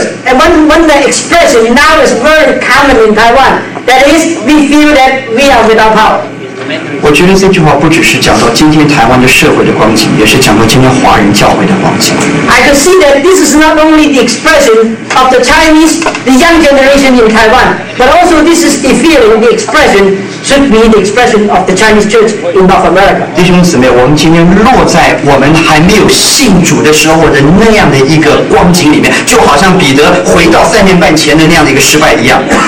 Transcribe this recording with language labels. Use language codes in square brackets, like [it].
[en] And one expression now is very common in Taiwan. That is, we feel that we are without power. [zh] 我觉得这句话不只是讲到今天台湾的社会的光景，也是讲到今天华人教会的光景。 [en] I can see that this is not only the expression of the Chinese, the young generation in Taiwan, but also this is the feeling, the expression. Should be the expression of the Chinese Church in North America. [zh] 弟兄姊妹，我们今天落在我们还没有信主的时候的那样的一个光景里面，就好像彼得回到三年半前的那样的一个失败一样。